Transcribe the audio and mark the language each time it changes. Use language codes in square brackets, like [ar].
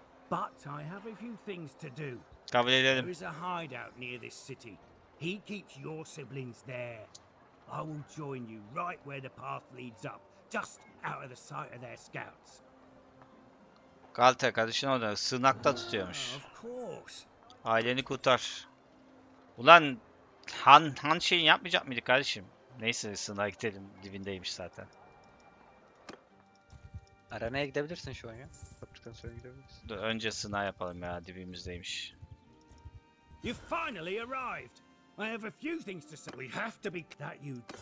[en] But I have a few things to do. [tr] Kabul edelim. [en] There is a hideout near this city. He keeps your siblings there. I will join you right where the path leads up, just out of the sight of their scouts. [tr] Galter kardeşin orada sığınakta tutuyormuş. [en] Of course. [tr] Aileni kurtar. Ulan han şeyin yapmayacak mıydı kardeşim? Neyse sığınağa gidelim. Dibindeymiş zaten. Arena'ya gidebilirsin şu an ya. Fabrikadan sonra gidebilirsin. Dur, önce sınav yapalım ya, dibimizdeymiş. [en] You finally arrived. I have a few things to say. We have to be that you.